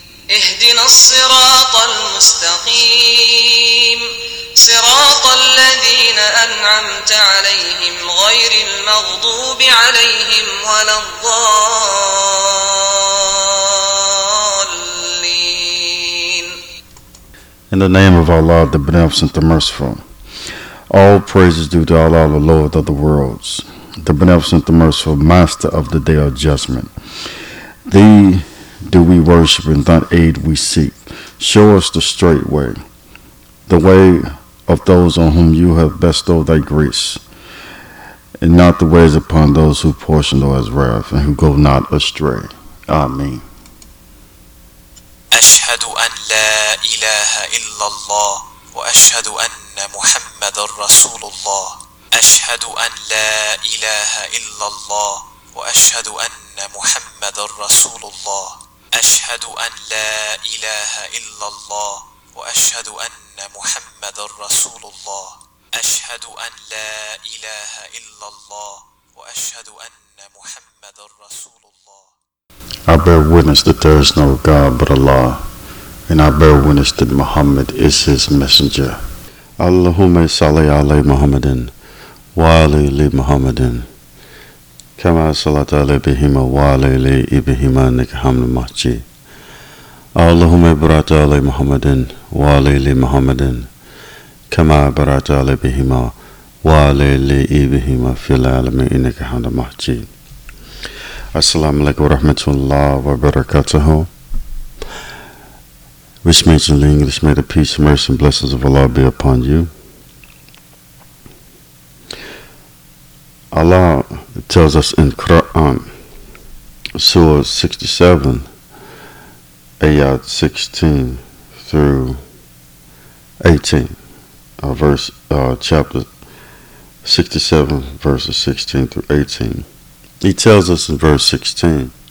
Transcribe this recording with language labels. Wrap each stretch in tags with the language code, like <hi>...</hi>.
<ar>اهدنا الصراط المستقيم صراط الذين أنعمت عليهم غير المغضوب عليهم ولا الضالين.</ar> <en>In the name of Allah, the Beneficent, the Merciful. All praises due to Allah, the Lord of the worlds, the Beneficent, the Merciful, Master of the Day of Judgment. Thee do we worship and thine aid we seek. Show us the straight way, the way of those on whom you have bestowed thy grace, and not the ways upon those who portion thy wrath and who go not astray. Amen.</en> <ar>Ashhadu an la ilaha illallah wa ashhadu anna Muhammadan Rasulullah. Ashhadu an la ilaha illallah wa ashhadu anna Muhammadan Rasulullah. أشهد أن لا إله إلا الله وأشهد أن محمد رسول الله أشهد أن لا إله إلا الله وأشهد أن محمد رسول الله.</ar> <en>I bear witness that there is no God but Allah, and I bear witness that Muhammad is his messenger.</en> <ar>اللهم صل على محمد وعلى آل محمد كما صليت على إبراهيم وعلى آل إبراهيم إنك حميد مجيد. اللهم بارك على محمد وعلى آل محمد كما باركت على إبراهيم وعلى آل إبراهيم في العالمين إنك حميد مجيد. السلام عليكم ورحمة الله وبركاته.</ar> <en>Which means in English, may the peace, mercy, and blessings of Allah be upon you. Allah tells us in Qur'an, Surah 67, Ayat 16 through 18, chapter 67, verses 16 through 18. He tells us in verse 16,</en>